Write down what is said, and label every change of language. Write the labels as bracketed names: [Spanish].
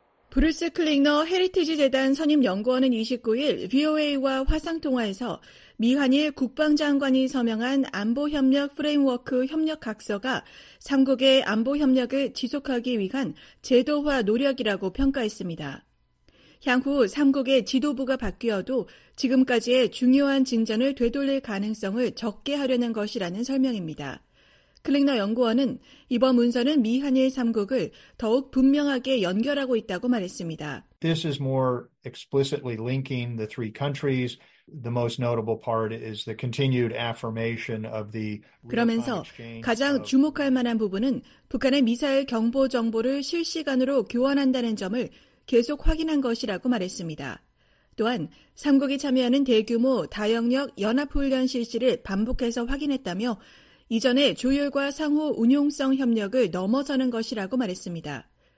[Korean] 브루스 클링너 헤리티지 재단 선임 연구원은 29일 VOA와 화상통화에서 미한일 국방장관이 서명한 안보협력 프레임워크 협력각서가 3국의 안보협력을 지속하기 위한 제도화 노력이라고 평가했습니다. 향후 3국의 지도부가 바뀌어도 지금까지의 중요한 진전을 되돌릴 가능성을 적게 하려는 것이라는 설명입니다. 클링너 연구원은 이번 문서는 미한일 3국을 더욱 분명하게 연결하고 있다고 말했습니다. [English] This is more explicitly linking the three countries. The most notable part is the continued affirmation of the [Korean] 그러면서 가장 주목할 만한 부분은 북한의 미사일 경보 정보를 실시간으로 교환한다는 점을 계속 확인한 것이라고 말했습니다. 또한 3국이 참여하는 대규모 다영역 연합훈련 실시를 반복해서 확인했다며 이전의 조율과 상호 운용성 협력을 넘어서는 것이라고 말했습니다.